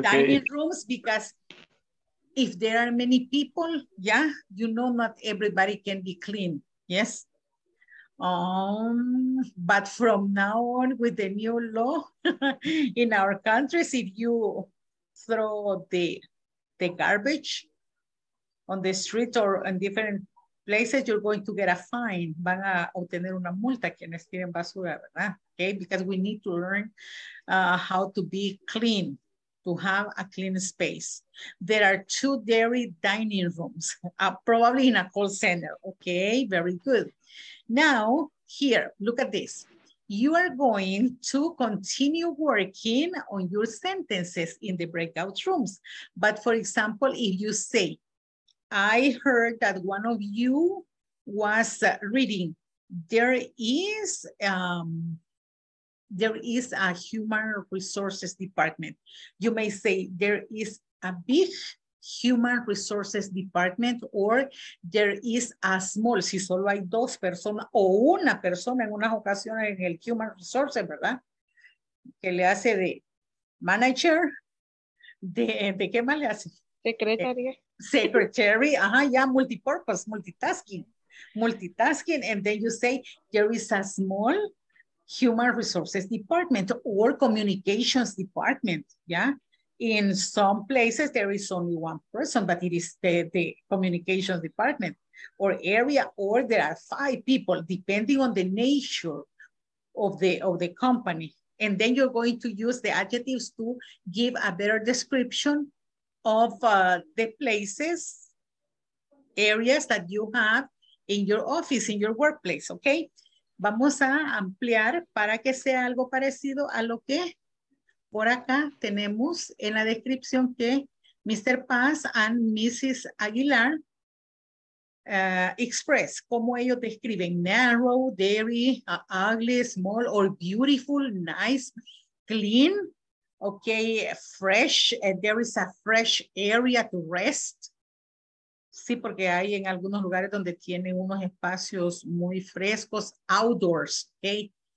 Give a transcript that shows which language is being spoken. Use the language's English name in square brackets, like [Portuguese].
[English] Dining rooms, because if there are many people, yeah, you know, not everybody can be clean. Yes. But from now on, with the new law in our countries, if you throw the garbage on the street or in different places, you're going to get a fine. [Spanish] Van a obtener una multa quienes tienen basura, ¿verdad? [English] Okay, because we need to learn how to be clean, to have a clean space. There are 2 dairy dining rooms, probably in a call center. Okay, very good. Now, here, look at this. You are going to continue working on your sentences in the breakout rooms. But for example, if you say, I heard that one of you was reading, there is a human resources department. You may say there is a big human resources department, or there is a small, [Spanish] si solo hay 2 personas o una persona en unas ocasiones en el human resources, ¿verdad? Que le hace de manager, de qué más le hace? Secretaria. [English] Secretary, yeah, multipurpose, multitasking, and then you say there is a small human resources department or communications department, yeah? In some places, there is only 1 person, but it is the communications department or area, or there are 5 people, depending on the nature of the company. And then you're going to use the adjectives to give a better description of the places, areas that you have in your office, in your workplace, okay? [Spanish] Vamos a ampliar para que sea algo parecido a lo que por acá tenemos en la descripción que Mr. [English] Paz and Mrs. Aguilar express, [Spanish] como ellos describen, [English] narrow, dairy, ugly, small, or beautiful, nice, clean. Okay, fresh, and there is a fresh area to rest. [Spanish] Sí, porque hay en algunos lugares donde tienen unos espacios muy frescos, [English] outdoors, [Spanish] okay?